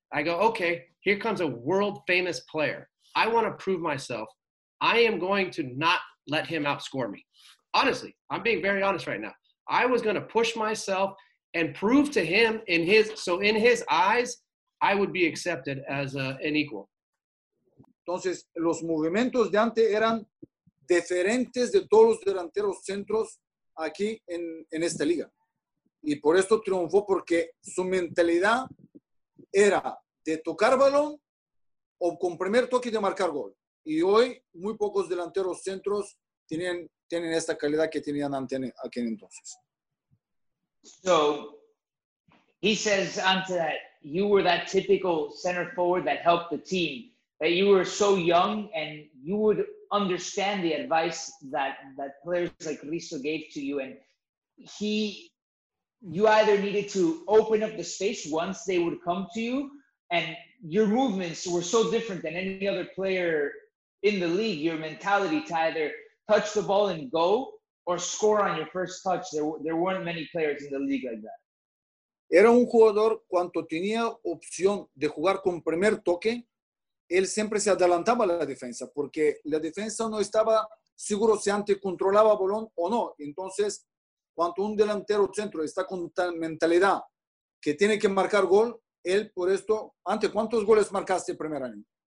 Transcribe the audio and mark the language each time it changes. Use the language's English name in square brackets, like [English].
[English] I go, okay, here comes a world-famous player. I want to prove myself. I am going to not let him outscore me. Honestly, I'm being very honest right now. I was going to push myself and prove to him in his eyes, I would be accepted as an equal. [Spanish] Entonces, los movimientos de antes eran diferentes de todos los delanteros centros aquí en esta liga. Y por esto triunfó, porque su mentalidad era de tocar balón o con primer toque de marcar gol. Y hoy, muy pocos delanteros centros tienen esta calidad que tenían ante aquí entonces. [English] So, he says, Ante, that you were that typical center forward that helped the team, that you were so young and you would understand the advice that players like Risto gave to you. And you either needed to open up the space once they would come to you, and your movements were so different than any other player in the league, your mentality to either touch the ball and go or score on your first touch. There weren't many players in the league like that. [Spanish] Era un jugador, cuando tenía opción de jugar con primer toque, él siempre se adelantaba a la defensa, porque la defensa no estaba seguro si antes controlaba balón o no. Entonces, cuando un delantero centro está con tal mentalidad que tiene que marcar gol, él por esto, ante, ¿cuántos goles marcaste el primer año?